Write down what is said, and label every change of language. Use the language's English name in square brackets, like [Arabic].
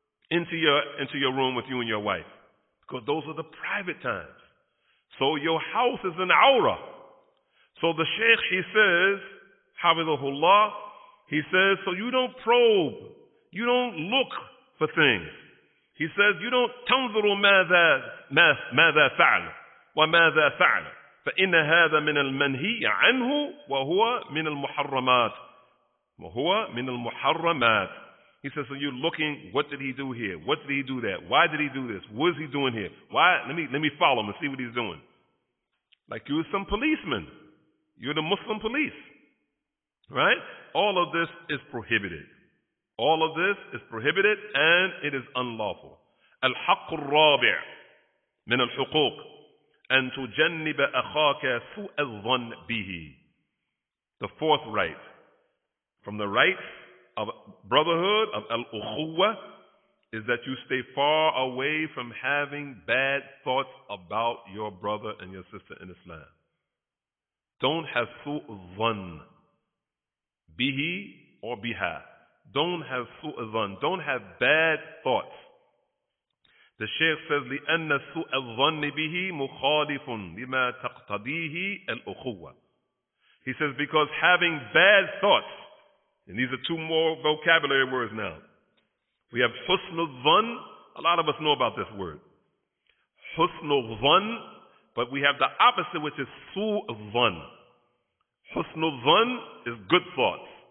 [English] into your room with you and your wife, because those are the private times. So your house is an awrah. So the sheikh, he says, Hafizahullah, he says, so you don't probe, you don't look for things. He says, you don't tanzuru [Arabic] ماذا فعل وماذا فعل فإن هذا من المنهي عنه وهو من المحرمات وهو من المحرمات. [English] He says, so you're looking, what did he do here? What did he do there? Why did he do this? What is he doing here? Why? Let me follow him and see what he's doing. Like you're some policeman. You're the Muslim police. Right? All of this is prohibited. All of this is prohibited and it is unlawful. [Arabic] الحق الرابع من الحقوق أن تجنب أخاك سوء الظن به. [English] The fourth right. From the rights of brotherhood, of al-ukhuwa, is that you stay far away from having bad thoughts about your brother and your sister in Islam. Don't have su'zan bihi or biha. Don't have su'zan. Don't have bad thoughts. The Shaykh says, [Arabic] لِأَنَّ سُوءَ الظَّنِّ بِهِ مُخَالِفٌ لِمَا تَقْتَدِيهِ الْأُخُوَّةِ. [English] He says, because having bad thoughts, and these are two more vocabulary words now. We have husnul dhan. A lot of us know about this word. Husnul dhan. But we have the opposite, which is su'ul dhan. Husnul dhan is good thoughts.